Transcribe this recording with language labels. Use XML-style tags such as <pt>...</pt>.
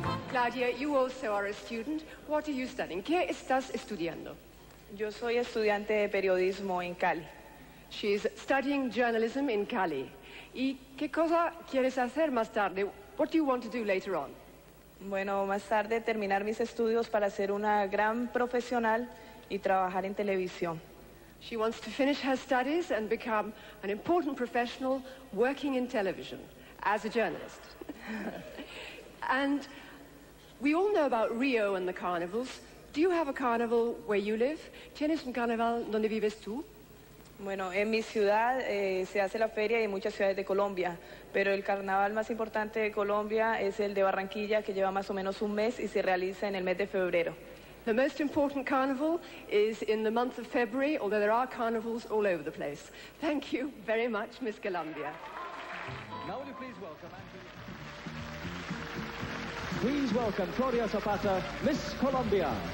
<en>Claudia, you also are a student. What are you studying?</en> <es>¿Qué estás estudiando? Yo soy estudiante de periodismo en Cali.</es> <en>She's studying journalism in Cali.</en> <es>¿Y qué cosa quieres hacer más tarde?</es> <en>What do you want to do later on?</en> <es>Bueno, más tarde terminar mis estudios para ser una gran profesional y trabajar en televisión.</es> <en>She wants to finish her studies and become an important professional working in television as a journalist. And we all know about Rio and the carnivals. Do you have a carnival where you live?</en> <es>¿Tienes un carnaval donde vives tú? Bueno, en mi ciudad se hace la feria y en muchas ciudades de Colombia, pero el carnaval más importante de Colombia es el de Barranquilla, que lleva más o menos un mes y se realiza en el mes de febrero.</es> <en>The most important carnival is in the month of February, although there are carnivals all over the place. Thank you very much, Miss Colombia. Now would you please welcome Please welcome Claudia Zapata, Miss Colombia.</en>